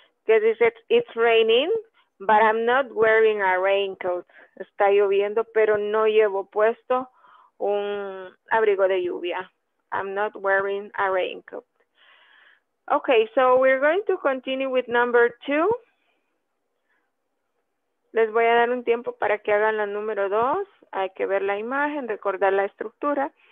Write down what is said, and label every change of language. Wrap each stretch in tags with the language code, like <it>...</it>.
<en>Because it's raining, but I'm not wearing a raincoat.</en> <es>Está lloviendo, pero no llevo puesto un abrigo de lluvia.</es> <en>I'm not wearing a raincoat. Okay, so we're going to continue with number two.</en> <es>Les voy a dar un tiempo para que hagan la número dos. Hay que ver la imagen, recordar la estructura.</es>